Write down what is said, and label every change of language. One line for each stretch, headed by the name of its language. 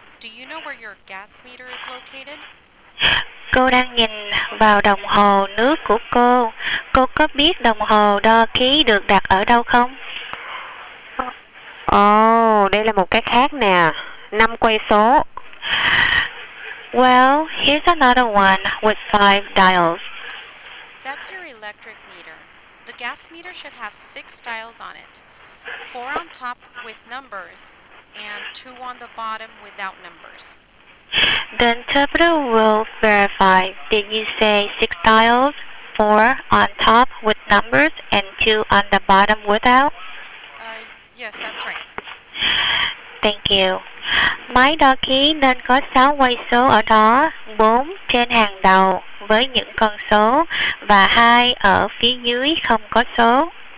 English: Do you know where your gas meter is located?
Vietnamese: Cô đang nhìn vào đồng hồ nước của cô. Cô có biết đồng hồ đo khí được đặt ở đâu không? Đây là một cái khác nè. 5 quay số.
English: Well, here's another one with 5 dials. That's your electric meter. The gas meter should have 6 dials on it. 4 on top with numbers and 2 on the bottom without numbers. The interpreter will verify. Did you say 6 dials, 4 on top with numbers and 2 on the bottom without? Yes, that's right. Thank you.
Vietnamese: Máy đo khí nên có 6 quay số ở đó, 4 trên hàng đầu với những con số và 2 ở phía dưới không có số.